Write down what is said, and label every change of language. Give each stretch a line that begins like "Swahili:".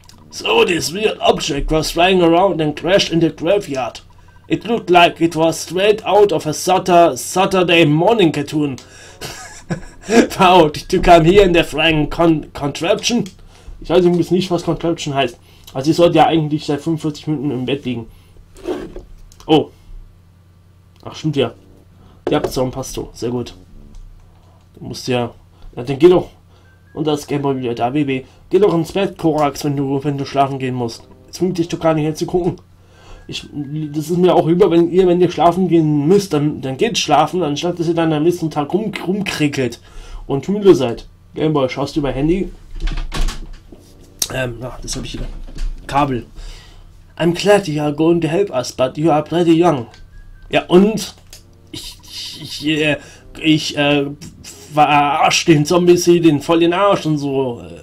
English: So this weird object was flying around and crashed in the graveyard. It looked like it was straight out of a Saturday morning cartoon. Wow, to come here in the flying contraption?
German: Ich weiß übrigens nicht, was contraption heißt. Also ich sollte ja eigentlich seit 45 Minuten im Bett liegen. Oh. Ach, stimmt ja. Ja, so passt so. Sehr gut. Du musst ja... Ja, dann geh doch. Und das Gameboy wieder da, Baby. Geh doch ins Bett, Korax, wenn du schlafen gehen musst. Zwing dich doch gar nicht herzugucken. Das ist mir auch über, wenn ihr schlafen gehen müsst, dann geht schlafen, anstatt dass ihr dann am nächsten Tag rumkrickelt und müde seid. Gameboy, schaust du über Handy? Das habe ich hier. Kabel.
English: I'm glad you are going to help us, but you are pretty young.
German: Ja, und? Ich verarsche den Zombies hier den voll den Arsch und so.